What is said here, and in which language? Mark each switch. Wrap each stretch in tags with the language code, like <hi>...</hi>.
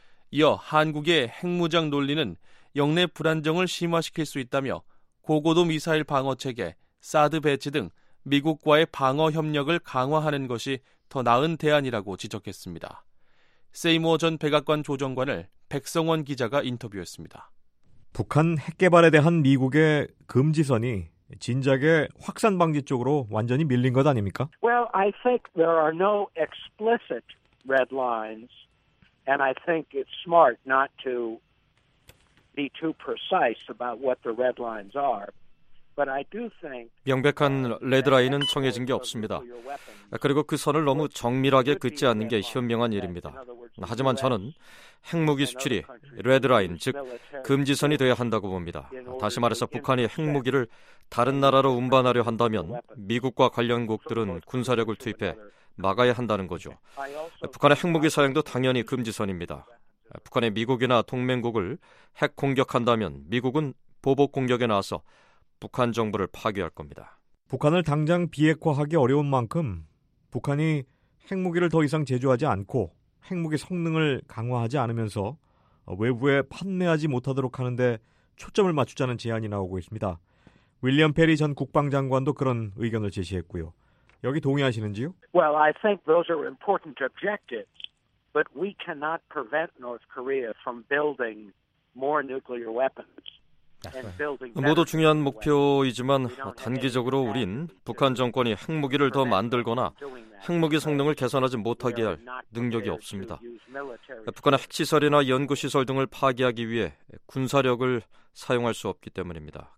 <ko>이어 한국의 핵무장 논리는 영내 불안정을 심화시킬 수 있다며 고고도 미사일 방어체계, 사드 배치 등 미국과의 방어 협력을 강화하는 것이 더 나은 대안이라고 지적했습니다. 세이머 전 백악관 조정관을 백성원 기자가 인터뷰했습니다. 북한 핵개발에 대한 미국의 금지선이 진작에 확산 방지 쪽으로 완전히 밀린 것 아닙니까?</ko> <en>Well, I think there are no explicit red lines. And I think it's smart not to be too precise about what the red lines are. But I do think</en> <ko>명백한 레드라인은 정해진 게 없습니다. 그리고 그 선을 너무 정밀하게 긋지 않는 게 현명한 일입니다. 하지만 저는 핵무기 수출이 레드라인, 즉 금지선이 되어야 한다고 봅니다. 다시 말해서 북한이 핵무기를 다른 나라로 운반하려 한다면 미국과 관련국들은 군사력을 투입해 막아야 한다는 거죠. 북한의 핵무기 사용도 당연히 금지선입니다. 북한이 미국이나 동맹국을 핵 공격한다면 미국은 보복 공격에 나서 북한 정부를 파괴할 겁니다. 북한을 당장 비핵화하기 어려운 만큼 북한이 핵무기를 더 이상 제조하지 않고 핵무기 성능을 강화하지 않으면서 외부에 판매하지 못하도록 하는 데 초점을 맞추자는 제안이 나오고 있습니다. 윌리엄 페리 전 국방장관도 그런 의견을 제시했고요. 여기 동의하시는지요?</ko> <en>Well, I think those are important objectives, but we cannot prevent North Korea from building more nuclear weapons.</en> <ko>모두 중요한 목표이지만 단기적으로 우린 북한 정권이 핵무기를 더 만들거나 핵무기 성능을 개선하지 못하게 할 능력이 없습니다. 북한의 핵시설이나 연구시설 등을 파괴하기 위해 군사력을 사용할 수 없기 때문입니다.</ko>